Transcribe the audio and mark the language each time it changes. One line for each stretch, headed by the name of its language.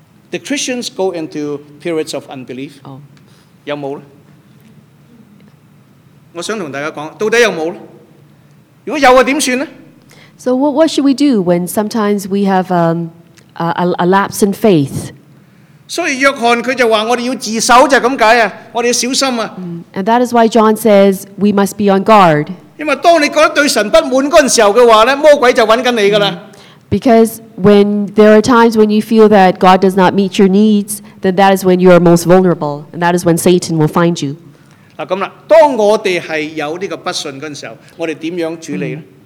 English: The Christians go into periods of unbelief. Oh.
Cantonese: 有冇咧？我想同大家讲，到底有冇咧？如果有嘅点算咧？
English: So what should we do when sometimes we have a lapse in faith?
Cantonese: 所以約翰佢就話我哋要自守就係咁解啊，我哋要小心啊。
English: And that is why John says we must be on guard.
Cantonese: 因為當你覺得對神不滿嗰陣時候嘅話咧，魔鬼就揾緊你噶啦。
English: Because when there are times when you feel that God does not meet your needs, then that is when you are most vulnerable, and that is when Satan will find you.
Cantonese: 嗱咁啦，當我哋係有呢個不信嗰陣時候，我哋點樣處理咧？